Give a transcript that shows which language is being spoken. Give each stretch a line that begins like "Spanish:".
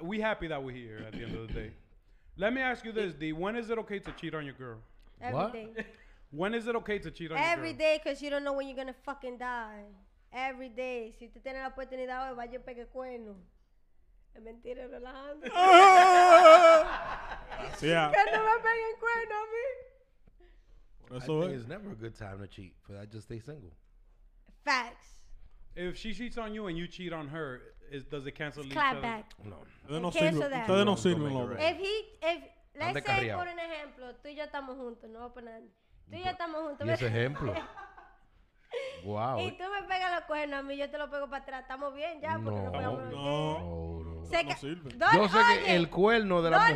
English: We happy that we're here at the end of the day. Let me ask you this, D. When is it okay to cheat on your girl? Every what? Day. When is it okay to cheat on every your girl? Every day, because you don't know when you're going to fucking die. Every day.
Spanish: Si usted tiene la oportunidad hoy, vaya pegue cuerno. Es mentira, relajando.
English: Yeah. That's all. I think it's never a good time to cheat, but I just stay single. Facts. If she cheats on you and you cheat on her, does it cancel each other? Clap back. No. They don't see me. If let's say,
Spanish: por un ejemplo, tú y yo estamos juntos, no por nada. Tú y yo estamos juntos. Ese ejemplo. Wow. Y tú me pegas los cuernos a mí, yo te lo pego para atrás. Estamos bien ya, porque no podemos. No. Yo sé que el cuerno de la mujer...